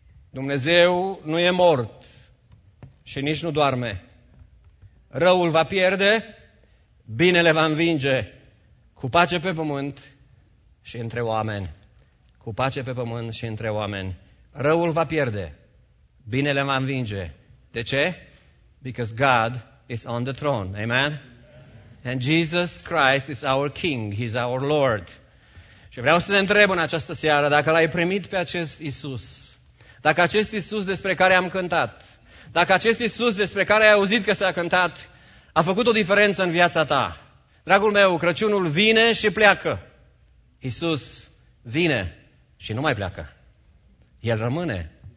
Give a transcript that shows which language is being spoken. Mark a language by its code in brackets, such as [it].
[ro] Dumnezeu nu e mort și nici nu doarme. Răul va pierde, binele va învinge, cu pace pe pământ și între oameni. Cu pace pe pământ și între oameni. Răul va pierde, binele va învinge. De ce? [en] Because God is on the throne. Amen? And Jesus Christ is our King. He's our Lord. [ro] Și vreau să te întreb în această seară, dacă l-ai primit pe acest Iisus, dacă acest Iisus despre care am cântat, dacă acest Iisus despre care ai auzit că s-a cântat, a făcut o diferență în viața ta. Dragul meu, Crăciunul vine și pleacă. Iisus vine și nu mai pleacă. El rămâne.